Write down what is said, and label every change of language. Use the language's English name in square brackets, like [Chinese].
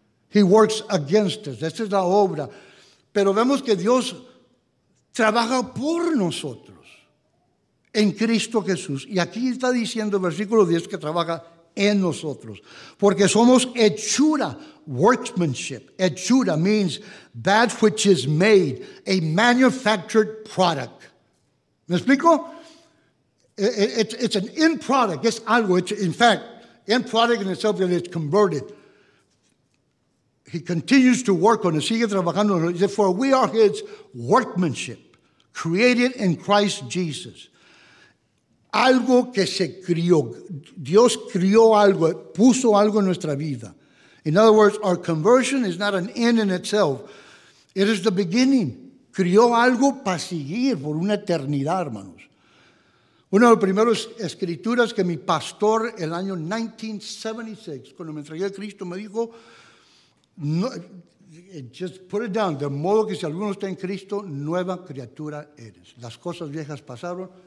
[English] He works against us. [Spanish] Esa es la obra. Pero vemos que Dios trabaja por nosotros en Cristo Jesús. Y aquí está diciendo el versículo 10 que trabaja en nosotros, porque somos hechura, workmanship. [English] Hechura means that which is made, a manufactured product. [Spanish] ¿Me explico? [English] It's an end product, it's algo, it's, in fact, end product in itself, it's converted. He continues to work on it, [Spanish] sigue trabajando. [English] He said, for we are his workmanship, created in Christ Jesus. [Spanish] Algo que se crió, Dios crió algo, puso algo en nuestra vida. [English] In other words, our conversion is not an end in itself. It is the beginning. [Spanish] Crió algo para seguir por una eternidad, hermanos. Una de las primeras escrituras que mi pastor, el año 1976, cuando me entregué a Cristo, me dijo, no, [English] just put it down, [Spanish] de modo que si alguno está en Cristo, nueva criatura eres. Las cosas viejas pasaron,